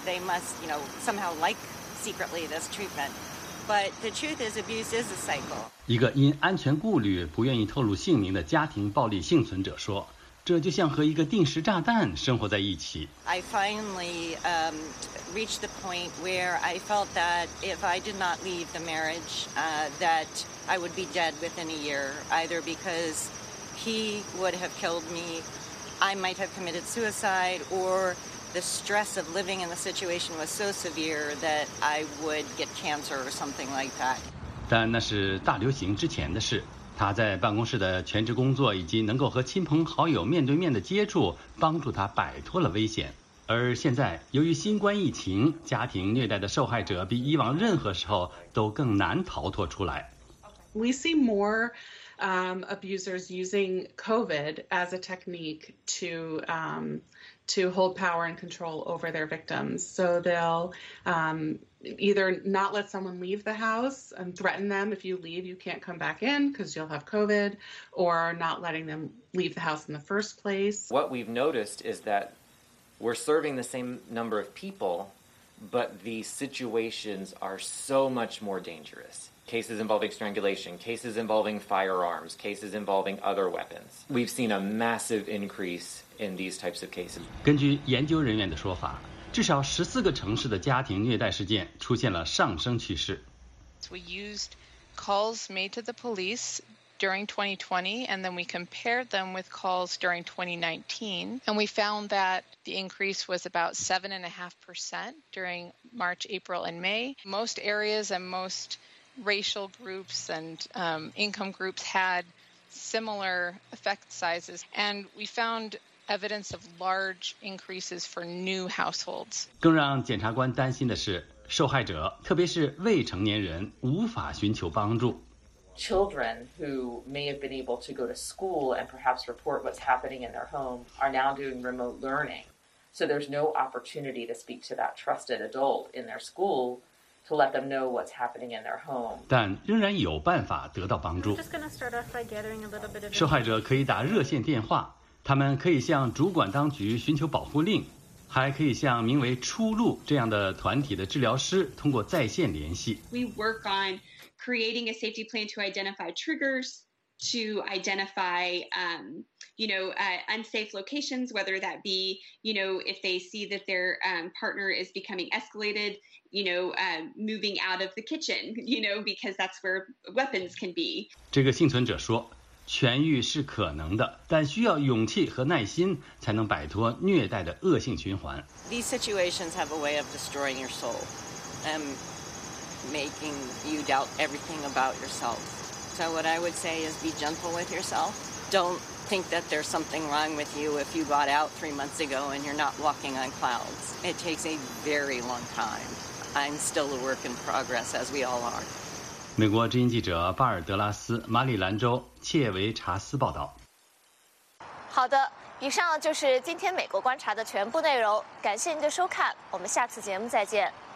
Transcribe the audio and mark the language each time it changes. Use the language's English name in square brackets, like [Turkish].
[English] They must, you know, somehow like secretly this treatment." But the truth is, abuse is a cycle. [Chinese] 一个因安全顾虑不愿意透露姓名的家庭暴力幸存者说，这就像和一个定时炸弹生活在一起。 [English] I finally reached the point where I felt that if I did not leave the marriage, that I would be dead within a year, either because he would have killed me, I might have committed suicide, or the stress of living in the situation was so severe that I would get cancer or something like that. [Chinese] 但那是大流行之前的事。他在办公室的全职工作以及能够和亲朋好友面对面的接触帮助他摆脱了危险，而现在由于新冠疫情，家庭虐待的受害者比以往任何时候都更难逃脱出来。 [English] We see more abusers using COVID as a technique to hold power and control over their victims. So they'll either not let someone leave the house and threaten them, if you leave, you can't come back in because you'll have COVID, or not letting them leave the house in the first place. What we've noticed is that we're serving the same number of people, but the situations are so much more dangerous. Cases involving strangulation, cases involving firearms, cases involving other weapons. We've seen a massive increase in these types of cases. [Chinese] 根据研究人员的说法，至少14个城市的家庭虐待事件出现了上升趋势。 [English] We used calls made to the police during 2020, and then we compared them with calls during 2019, and we found that the increase was about 7.5% during March, April, and May. Most areas and most racial groups and income groups had similar effect sizes, and we found. Evidence of large increases for new households. [Chinese] 更让检察官担心的是，受害者，特别是未成年人，无法寻求帮助。 [English] Children who may have been able to go to school and perhaps report what's happening in their home are now doing remote learning. So there's no opportunity to speak to that trusted adult in their school to let them know what's happening in their home. [Chinese] 但仍然有办法得到帮助。受害者可以打热线电话。他们可以向主管当局寻求保护令，还可以向名为出路这样的团体的治疗师通过在线联系。 [English] We work on creating a safety plan to identify triggers, to identify, unsafe locations, whether that be, you know, if they see that their partner is becoming escalated, moving out of the kitchen, because that's where weapons can be. [Chinese] 这个幸存者说，痊愈是可能的，但需要勇气和耐心才能摆脱虐待的恶性循环。 [English] These situations have a way of destroying your soul and making you doubt everything about yourself. So what I would say is be gentle with yourself. Don't think that there's something wrong with you if you got out 3 months ago and you're not walking on clouds. It takes a very long time. I'm still a work in progress, as we all are. [Chinese] 美国之音记者巴尔德拉斯，马里兰州切维查斯报道。好的，以上就是今天美国观察的全部内容，感谢您的收看，我们下次节目再见。